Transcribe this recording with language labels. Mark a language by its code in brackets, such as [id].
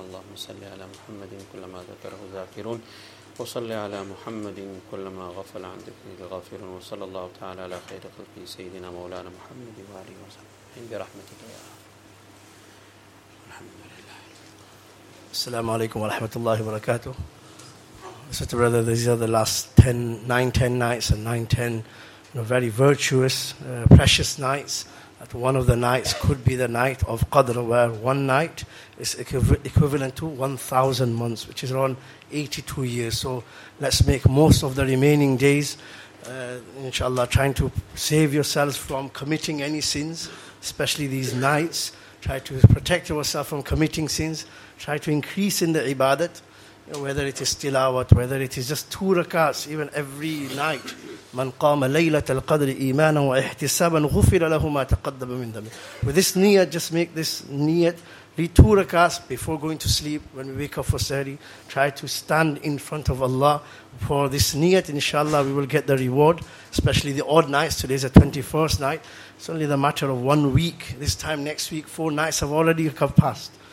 [ar] اللهم صل على محمد كلما ذكره ذاكرون وصلى على محمد كلما غفل عن ذكره غافل. وصلى الله تعالى على خير خلقه سيدنا مولانا محمد وعليه وسلم برحمتك يا الحمد لله. السلام عليكم ورحمة الله وبركاته. Mr. [en] Brother, these are the last 9-10 nights and 9-10 very virtuous, precious nights. That one of the nights could be the night of Qadr, where one night is equivalent to 1,000 months, which is around 82 years. So let's make most of the remaining days, inshallah, trying to save yourselves from committing any sins, especially these nights. Try to protect yourself from committing sins. Try to increase in the ibadat, you know, whether it is tilawat, whether it is just two rakats, even every night. [ar] من قام ليلة القدر إيمانا واحتسابا غفر له ما تقدم من ذنبه. [en] With this niyat, just make this niyat. Read two rakats before going to sleep. When we wake up for sahri, try to stand in front of Allah for this niyat. Inshallah, we will get the reward, especially the odd nights. Today is the 21st night. It's only the matter of 1 week. This time next week, four nights have already come past.